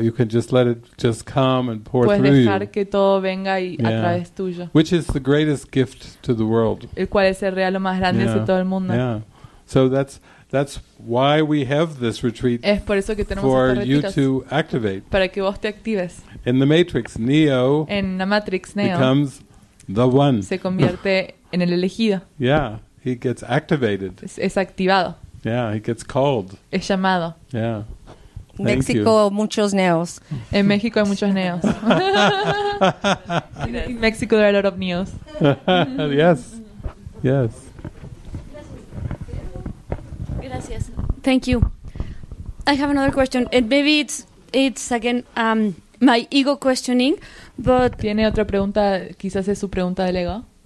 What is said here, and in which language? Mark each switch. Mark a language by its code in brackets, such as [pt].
[en] You can just let it just come and pour [es] puedes [en] through you. [es] Puedes dejar que todo venga y a través tuyo. [en] Which is the greatest gift to the world. [es] El cual es el regalo más grande de todo el mundo. [en] Yeah. So that's why we have this retreat. [es] Es por eso que tenemos [en] for [es] estos retiros. [en] You to activate. [es] Para que vos te actives. [en] In the Matrix, Neo. [es] En la Matrix, Neo. [en] Becomes the one. [es] Se convierte en el elegido. [en] Yeah, he gets activated. [es] Es activado. [en] Yeah, he gets called. [es] Es llamado. [en] Yeah. [es] México, muchos neos. En México hay muchos neos. [en] In Mexico there are a lot of neos. Yes. Yes. Gracias. Thank you. I have another question. And maybe it's again my ego questioning, but [es] tiene otra pregunta, quizás es su pregunta del ego.